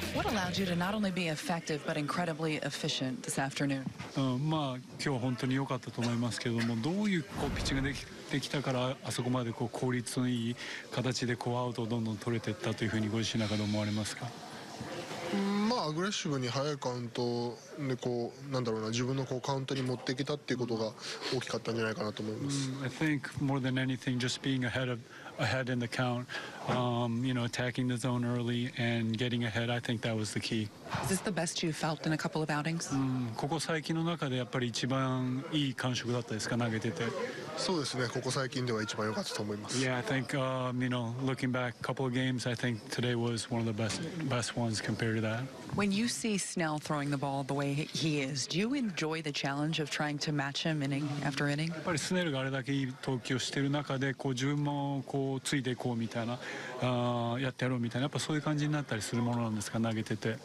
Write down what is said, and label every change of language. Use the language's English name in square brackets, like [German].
[English] What allowed you to not only be effective but incredibly efficient this afternoon? [Japanese] まあ今日は本当に良かったと思いますけども、どういうピッチングができたからあそこまでこう効率のいい形でこうアウトをどんどん取れていったというふうにご自身の中で思われますか？まあアグレッシブに早いカウントでこうなんだろうな自分のこうカウントに持ってきたっていうことが大きかったんじゃないかなと思います。 [English] I think more than anything, just being ahead in the count, you know, attacking the zone early and getting ahead, I think that was the key. Is this the best you felt in a couple of outings? [Japanese] ここ最近の中でやっぱり一番いい感触だったですか、投げてて。そうですね、ここ最近では一番良かったと思います。 [English] Yeah, I think, you know, looking back a couple of games, I think today was one of the best ones compared to that. When you see Snell throwing the ball the way he is, do you enjoy the challenge of trying to match him inning after inning? [Japanese] やっぱりスネルがあれだけいい投球をしている中で、こう自分もこうついていこうみたいな、やってやろうみたいな、やっぱそういう感じになったりするものなんですか、投げてて。